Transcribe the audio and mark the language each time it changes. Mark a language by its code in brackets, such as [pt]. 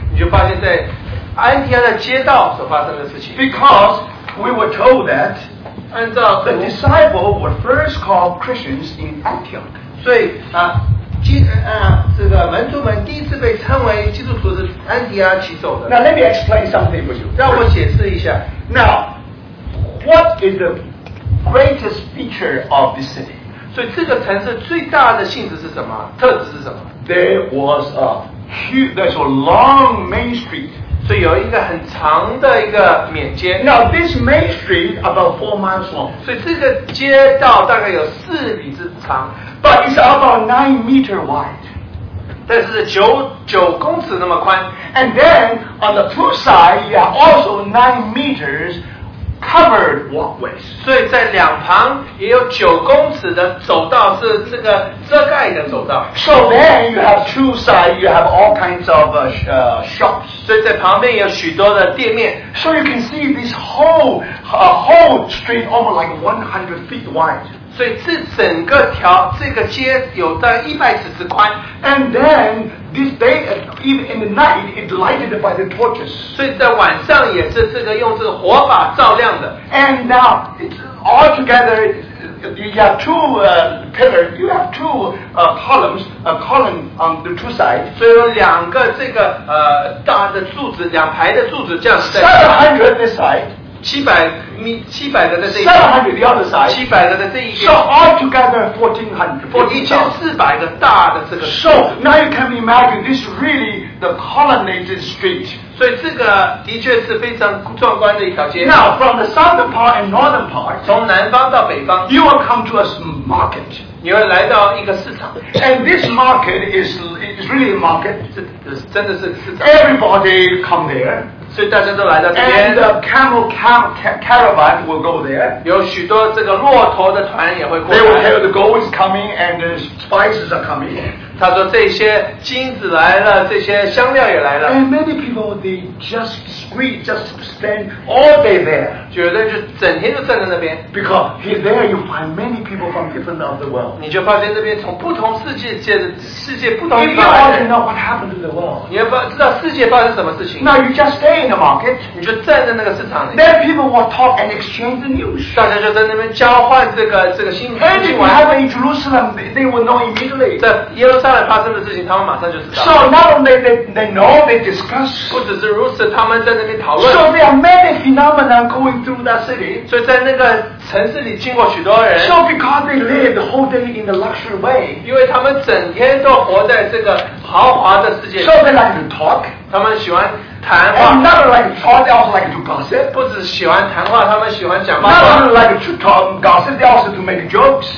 [zh] 你就发现在安提阿的街道所发生的事情。 [en] Because we were told that [zh] 按照 [en] the disciples were first called Christians in Antioch. [zh] 所以啊，这个门徒们第一次被称为基督徒是安提阿起走的。 [en] Now let me explain something for you. [zh] 让我解释一下。 [en] Now, what is the greatest feature of this city? [zh] 所以这个城市最大的性质是什么？特质是什么 [en] ？There was a huge, there's a long main street. [zh] 所以有一个很长的一个缅街。 [en] Now this main street about 4 miles long. [zh] 所以这个街道大概有四里之长。 [en] But it's about 9 meters wide. [zh] 但是九公尺那么宽。 [en] And then on the two sides, you have also 9 meters covered walkways. [zh] 所以在两旁也有九公尺的走道是这个遮盖的走道。 [en] So then you have two sides, you have all kinds of shops. [zh] 所以在旁边有许多的店面。 [en] So you can see this whole street almost like 100 feet wide. [zh] 所以这整个条这个街有在100尺宽。 [en] And then this day, even in the night, it lighted by the torches. [zh] 所以在晚上也是这个用这个火把照亮的。 [en] And now all together, you have two pillars. You have two columns. A column on the two sides. [zh] 所以有两个这个大的柱子，两排的柱子这样在。 [en] 700 this side. [zh] 700的在这一 [en] 边。700 the other side. [zh] 700的在这一边。 [en] So all together 1400. [zh] 1400个大的这个。 [en] So now you can imagine this is really the colonnaded street. [zh] 所以这个的确是非常壮观的一条街。 [en] Now from the southern part and northern part. [zh] 从南方到北方。 [en] You will come to a market. [zh] 你会来到一个市场 [en] ，and this market is really a market. [zh] 真的是市场。 [en] Everybody come there. [zh] 所以大家都来到这边。 [en] And the camel caravan will go there. [zh] 有许多这个骆驼的团也会过来。 [en] They will tell the gold is coming and the spices are coming. [zh] 他说这些金子来了，这些香料也来了。 [en] And many people they just squeeze, just spend all day there. [zh] 觉得就整天都站在那边。 [en] Because here there you find many people from different of the world. [zh] 你就发现这边从不同世界不同地方。 [en] If you want to know what happened to the world, [zh] 你要知道世界发生什么事情。 [en] Now you just stay in the market. [zh] 你就站在那个市场里。 [en] Then people will talk and exchange the news. [zh] 大家就在那边交换这个新闻。 [en] And if you happen in Jerusalem, they will know immediately. [zh] 上来发生的事情，他们马上就知道。 [en] So not only they know, they discuss. [zh] 不只是如此，他们在那边讨论。 [en] So there are many phenomena going through that city. [zh] 所以在那个城市里经过许多人。 [en] So because they live the whole day in the luxury way. [zh] 因为他们整天都活在这个豪华的世界。 [en] So they like to talk. [zh] 他们喜欢。 [en] And not like to talk, they also like to gossip. [zh] 不只喜欢谈话，他们喜欢讲八卦。 [en] Not only like to talk gossip, they also to make jokes.